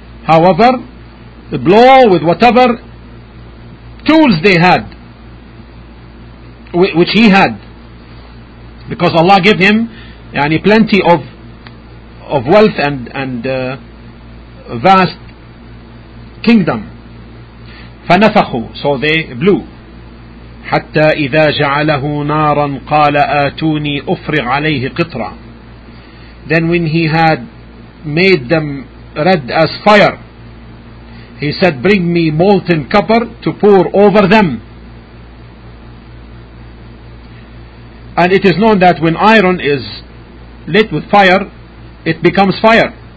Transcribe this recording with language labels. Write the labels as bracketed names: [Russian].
[English] However, blow with whatever tools they had, which he had, because Allah gave him يعني plenty of wealth and vast kingdom. [Arabic] فنفخوا, [English] so they blew. [Arabic] حتى إذا جعله نارا قال آتوني أفرغ عليه قطرا. [English] Then when he had made them red as fire, he said bring me molten copper to pour over them. And it is known that when iron is lit with fire, it becomes fire.